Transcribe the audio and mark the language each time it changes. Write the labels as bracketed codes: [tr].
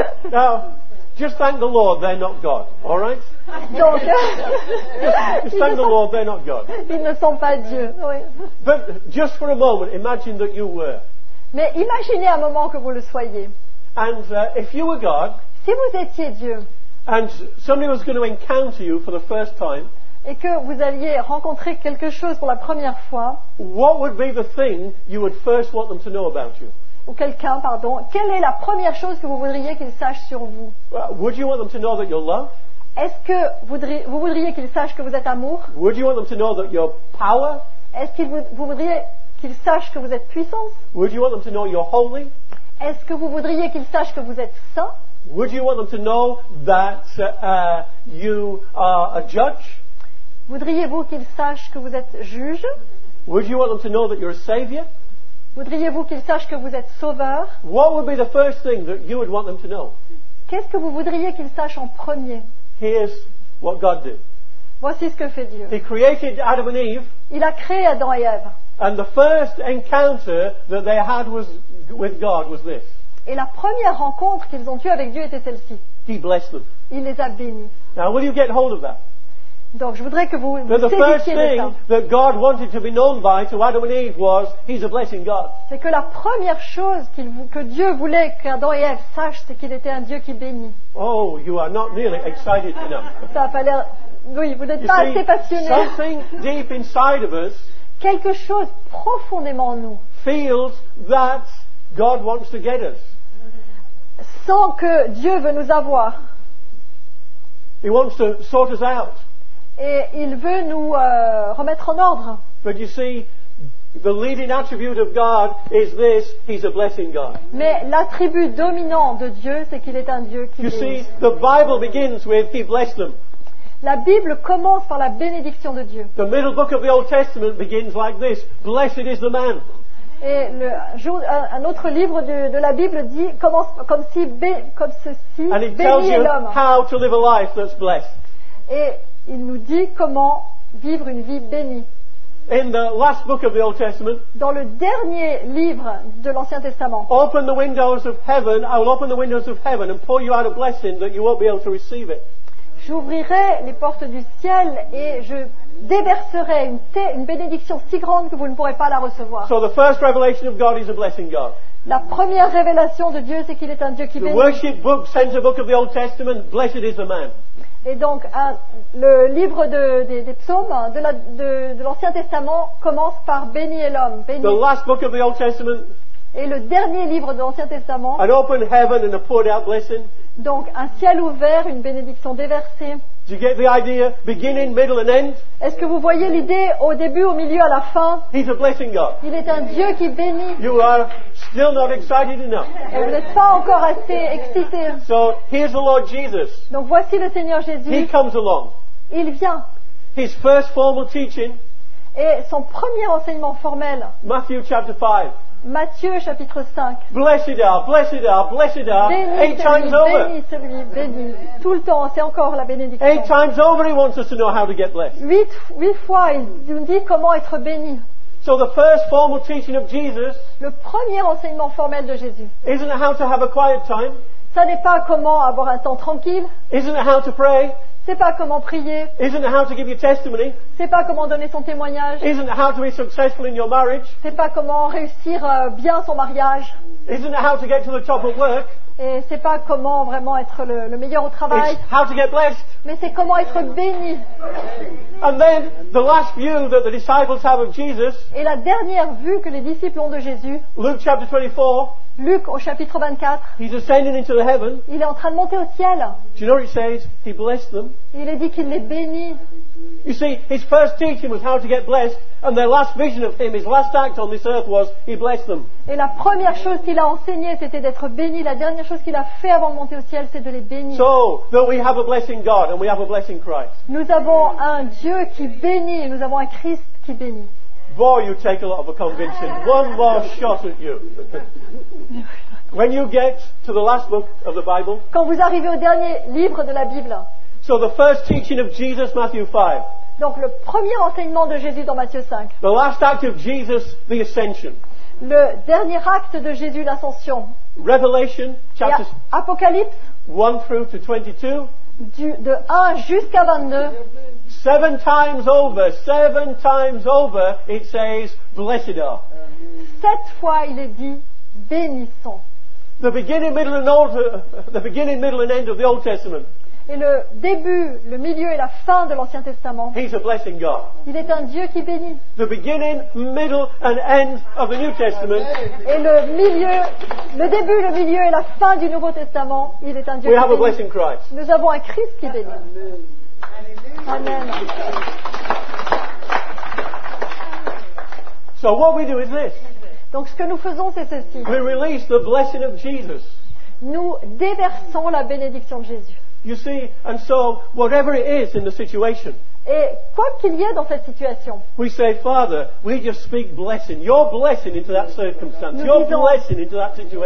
[en] Now, just thank the Lord they're not God, all right? [fr] Donc, [en] just thank the Lord they're not God. [fr] Ils ne sont pas Dieu, oui. [en] But just for a moment, imagine that you were. [fr] Mais imaginez un moment que vous le soyez. [en] And if you were God, [fr] si vous étiez Dieu, [en] and somebody was going to encounter you for the first time, [fr] et que vous alliez rencontrer quelque chose pour la première fois, [en] what would be the thing you would first want them to know about you? [fr] Ou quelqu'un, pardon, quelle est la première chose que vous voudriez qu'ils sachent sur vous? [en] Would you want them to know that you're love? [fr] Est-ce que vous voudriez qu'ils sachent que vous êtes amour? [en] Would you want them to know that you're power? [fr] Est-ce que vous voudriez qu'ils sachent que vous êtes puissance? [en] Would you want them to know you're holy? [fr] Est-ce que vous voudriez qu'ils sachent que vous êtes saint? [en] Would you want them to know that you are a judge? [fr] Voudriez-vous qu'ils sachent que vous êtes juge? [en] Would you want them to know that you're a savior? [fr] Voudriez-vous qu'ils sachent que vous êtes sauveur? [en] What would be the first thing that you would want them to know? [fr] Qu'est-ce que vous voudriez qu'ils sachent en premier? [en] Here's what God did. [fr] Voici ce que fait Dieu. [en] He created Adam and Eve. [fr] Il a créé Adam et Ève. [en] And the first encounter that they had was with God was this. [fr] Et la première rencontre qu'ils ont eue avec Dieu était celle-ci. [en] He blessed them. [fr] Il les a bénis. [en] Now, will you get hold of that? [fr] Donc je voudrais que vous [en] But the first thing that God wanted to be known by to Adam and Eve was he's a blessing God. [fr] C'est que la première chose que Dieu voulait qu'Adam et Ève sachent, c'est qu'il était un Dieu qui bénit. [en] Oh, you are not really excited enough. [fr] Ça a pas l'air. Oui, vous n'êtes [en] you [fr] pas [en] see, [fr] assez passionné. [en] Something deep inside of us. [fr] Quelque chose profondément en nous. [en] Feels that God wants to get us. [fr] Sent que Dieu veut nous avoir. [en] He wants to sort us out. [fr] Et il veut nous remettre en ordre. [en] But you see, the leading attribute of God is this, he's a blessing God. [fr] Mais l'attribut dominant de Dieu, c'est qu'il est un Dieu qui [en] you [fr] bénit. [en] See, the Bible begins with he blessed them. [fr] La Bible commence par la bénédiction de Dieu. [en] The middle book of the Old Testament begins like this, blessed is the man. [fr] Et un autre livre de la Bible dit commence comme ceci, [en] and it tells you [fr] l'homme. [en] How to live a life that's blessed. [fr] Et il nous dit comment vivre une vie bénie. [en] In the last book of the Old Testament, [fr] dans le dernier livre de l'Ancien Testament, [en] open the windows of heaven, I will open the windows of heaven and pour you out a blessing that you won't be able to receive it. [fr] J'ouvrirai les portes du ciel et je déverserai une bénédiction si grande que vous ne pourrez pas la recevoir. [en] So the first revelation of God is a blessing God. [fr] La première révélation de Dieu, c'est qu'il est un Dieu qui [en] the [fr] bénit. [en] The worship book sends a book of the Old Testament, blessed is the man. [fr] Et donc, le livre des psaumes de l'Ancien Testament commence par « Béni est l'homme ». [en] The last book of the Old Testament. [fr] Et le dernier livre de l'Ancien Testament. [en] An open heaven and a poured out blessing. [fr] Donc, un ciel ouvert, une bénédiction déversée. [en] Do you get the idea? Beginning, middle and end. [fr] Est-ce que vous voyez l'idée au début, au milieu, à la fin? [en] He's a blessing God. [fr] Il est un Dieu qui bénit. [en] You are still not excited enough. [fr] Et vous n'êtes pas encore assez excité. [en] So here's the Lord Jesus. [fr] Donc voici le Seigneur Jésus. [en] He comes along. [fr] Il vient. [en] His first formal teaching. [fr] Et son premier enseignement formel. [en] Matthew chapter 5. [fr] Matthieu chapitre 5. [en] Blessed are, blessed are, blessed are. [fr] Bénis [en] eight [fr] celui, [en] times over. [fr] Bénis celui, bénis. Tout le temps, c'est encore la bénédiction. [en] Eight times over, he wants us to know how to get blessed. [fr] Huit fois, il nous dit comment être béni. [en] So the first formal teaching of Jesus. [fr] Le premier enseignement formel de Jésus. [en] Isn't it how to have a quiet time? [fr] Ça n'est pas comment avoir un temps tranquille. [en] Isn't it how to pray? [fr] C'est pas comment prier. [en] Isn't it how to give your testimony? [fr] C'est pas comment donner son témoignage. [en] Isn't it how to be successful in your marriage? [fr] C'est pas comment réussir bien son mariage. [en] Isn't it how to get to the top of work? [fr] Et c'est pas comment vraiment être le meilleur au travail. [en] It's how to get blessed. [fr] Mais c'est comment être béni. [en] And then the last view that the disciples have of Jesus. [fr] Et la dernière vue que les disciples ont de Jésus. [en] Luke chapter 24. [fr] Luc au chapitre 24. [en] He's ascending into the heaven. [fr] Il est en train de monter au ciel. [en] Do you know what he says? He blessed them. [fr] Il est dit qu'il les bénit. [en] You see, his first teaching was how to get blessed, and their last vision of him, his last act on this earth was he blessed them. [fr] Et la première chose qu'il a enseigné, c'était d'être béni. La dernière chose qu'il a fait avant de monter au ciel, c'est de les bénir. [en] So, though we have a blessing God and we have a blessing Christ. [fr] Nous avons un Dieu qui bénit et nous avons un Christ qui bénit. [en] Boy, you take a lot of a convincing. One more shot at you. When you get to the last book of the Bible. [fr] Quand vous arrivez au dernier livre de la Bible. [en] So the first teaching of Jesus, Matthew 5. [fr] Donc le premier enseignement de Jésus dans Matthieu 5. [en] The last act of Jesus, the ascension. [fr] Le dernier acte de Jésus, l'ascension. [en] Revelation, chapters. [fr] Apocalypse. [en] 1 through to 22. [fr] De 1 jusqu'à 22. [en] Seven times over, it says, blessed are. [fr] Sept fois, il est dit, bénissons. [en] The beginning, middle and end of the Old Testament. [fr] Et le début, le milieu et la fin de l'Ancien Testament. [en] He's a blessing God. [fr] Il est un Dieu qui bénit. [en] The beginning, middle and end of the New Testament. [fr] Et le milieu, le début, le milieu et la fin du Nouveau Testament, il est un Dieu [en] We [fr] qui [en] have [fr] bénit. [en] A blessing Christ. [fr] Nous avons un Christ qui bénit. [en] Amen. So what we do is this. [fr] Donc ce que nous faisons, c'est ceci. [en] We release the blessing of Jesus. [fr] Nous déversons la bénédiction de Jésus. [en] You see, and so whatever it is in the situation. [fr] Et quoi qu'il y ait dans cette situation. [en] We say, Father, we just speak blessing. Your blessing into that circumstance. Your [fr] disons, [en] blessing into that situation.